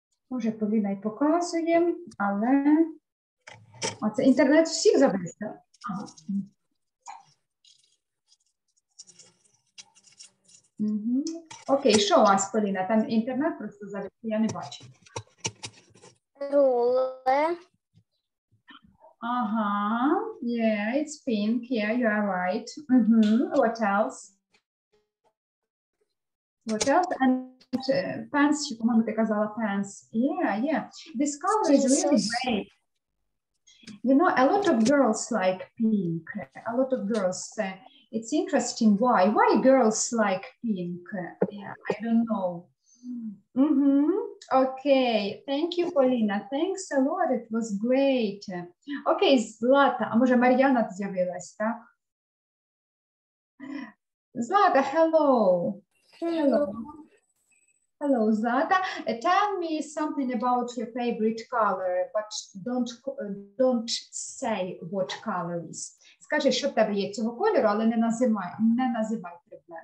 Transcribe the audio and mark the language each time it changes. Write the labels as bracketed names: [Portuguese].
[Ukrainian] Може, Поліна й показує, але... А це інтернет всіх забрав, так? Ага. Окей, що у вас, Поліна? Там інтернет просто забрав, я не бачу. Руле. [English] Ага, yeah, it's pink, yeah, you are right. What else? What else? And pants, [Ukrainian] по-моєму, ти казала [English] pants. Yeah, yeah. This color is really great. You know, a lot of girls like pink. A lot of girls. It's interesting. Why? Why girls like pink? Yeah, I don't know. Okay. Thank you, Поліна. Thanks a lot. It was great. Okay, Злата. [Ukrainian] А може, Мар'яна з'явилась, так? [English] Злата, hello. Hello. Hello, Zlata. Tell me something about your favorite color, but don't say what color is. [Ukrainian] Скажи, що в тебе є цього кольору, але не називай предмет.